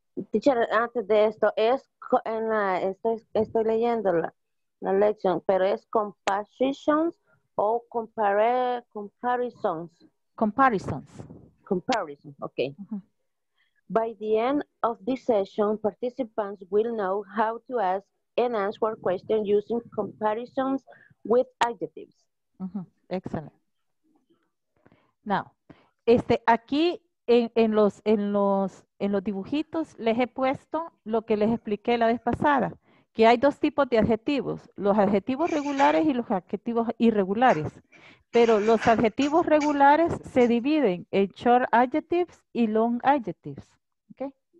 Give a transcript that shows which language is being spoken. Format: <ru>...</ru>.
<es>Teacher, antes de esto, es en la, estoy leyendo la lección, pero es compositions o comparisons.</es> <en>Comparisons. Comparison, okay. Uh-huh. By the end of this session, participants will know how to ask and answer questions using comparisons with adjectives. Uh-huh. Excellent.</en> <es>Now, este, aquí en los dibujitos les he puesto lo que les expliqué la vez pasada, que hay dos tipos de adjetivos, los adjetivos regulares y los adjetivos irregulares. Pero los adjetivos regulares se dividen en short adjectives y long adjectives. ¿Okay?</es>